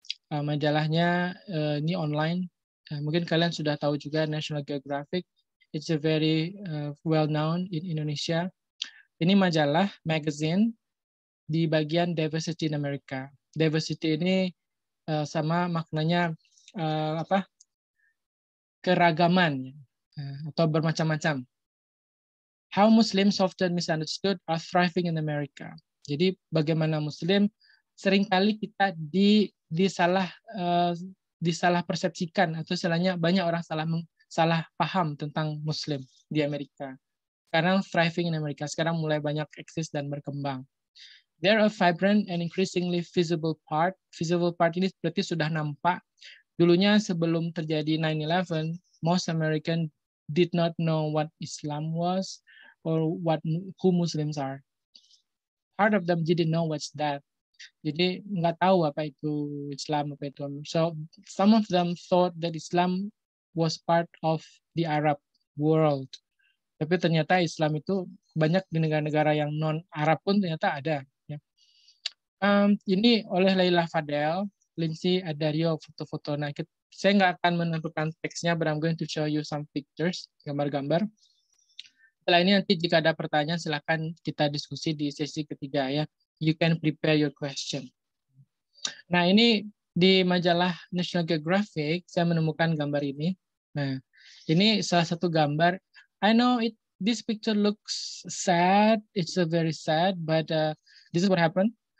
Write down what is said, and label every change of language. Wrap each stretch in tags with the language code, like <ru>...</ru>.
<id>Majalahnya ini online. Mungkin kalian sudah tahu juga National Geographic.</id> <en>It's a very well known in Indonesia.</en> <id>Ini majalah,</id> <en>magazine,</en> <id>di bagian</id> <en>diversity in America.</en> <id>Diversity ini sama maknanya apa? Keragaman atau bermacam-macam.</id> <en>How Muslims often misunderstood are thriving in America.</en> <id>Jadi bagaimana Muslim seringkali kita disalah persepsikan atau istilahnya banyak orang salah paham tentang Muslim di Amerika. Sekarang</id> <en>thriving in America,</en> <id>sekarang mulai banyak eksis dan berkembang.</id> <en>They're a vibrant and increasingly visible part. Visible part</en> <id>ini berarti sudah nampak. Dulunya sebelum terjadi 9/11,</id> <en>most American did not know what Islam was or who Muslims are. Part of them didn't know what's that.</en> <id>Jadi nggak tahu apa itu Islam, apa itu.</id> <en>So some of them thought that Islam was part of the Arab world.</en> <id>Tapi ternyata Islam itu banyak di negara-negara yang non-Arab pun ternyata ada. Ini oleh Leila Fadel, Lindsay Adario, foto-foto. Nah, saya nggak akan menentukan teksnya,</id> <en>but I'm going to show you some pictures,</en> <id>gambar-gambar. Setelah ini nanti jika ada pertanyaan, silakan kita diskusi di sesi ketiga. Ya.</id> <en>You can prepare your question.</en> <id>Nah, ini di majalah National Geographic, saya menemukan gambar ini. Nah, ini salah satu gambar.</id> <en>I know this picture looks sad. It's a very sad, but this is what happened.</en>